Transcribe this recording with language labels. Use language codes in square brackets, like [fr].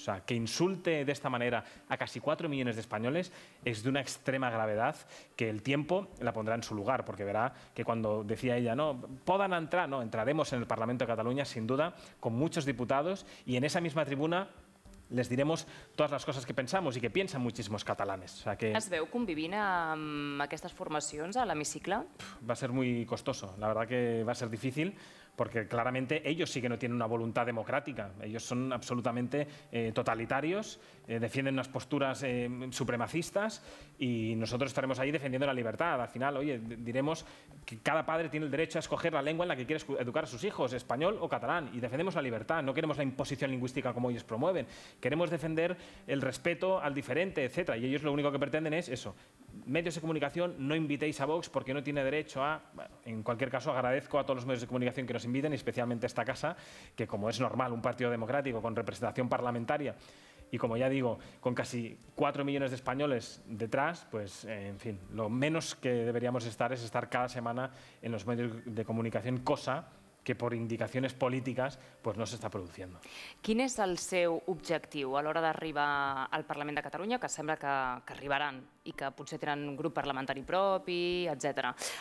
[es] O sea, que insulte de esta manera a casi 4 millones de españoles es de una extrema gravedad, que el tiempo la pondrá en su lugar, porque verá que cuando decía ella, no, puedan entrar, no, entraremos en el Parlamento de Cataluña sin duda con muchos diputados y en esa misma tribuna les diremos todas las cosas que pensamos y que piensan muchísimos catalanes. O sea que... [ca] ¿Es veu convivint amb aquestes formacions a l'hemicicle? [es] Va a ser muy costoso, la verdad que va a ser difícil, porque claramente ellos sí que no tienen una voluntad democrática. Ellos son absolutamente totalitarios, defienden unas posturas supremacistas y nosotros estaremos ahí defendiendo la libertad. Al final, oye, diremos que cada padre tiene el derecho a escoger la lengua en la que quiere educar a sus hijos, español o catalán, y defendemos la libertad. No queremos la imposición lingüística como ellos promueven. Queremos defender el respeto al diferente, etc. Y ellos lo único que pretenden es eso. Medios de comunicación, no invitéis a Vox porque no tiene derecho a... Bueno, en cualquier caso, agradezco a todos los medios de comunicación que nos inviten, y especialmente a esta casa, que como es normal, un partido democrático con representación parlamentaria y, como ya digo, con casi 4 millones de españoles detrás, pues, en fin, lo menos que deberíamos estar es estar cada semana en los medios de comunicación, cosa que por indicaciones políticas pues no se está produciendo. ¿Quién es [ca] el seu objectiu a l'hora d'arribar al Parlament de Catalunya, que sembla que arribaran i que potser tenen un grup parlamentari propi, etc.?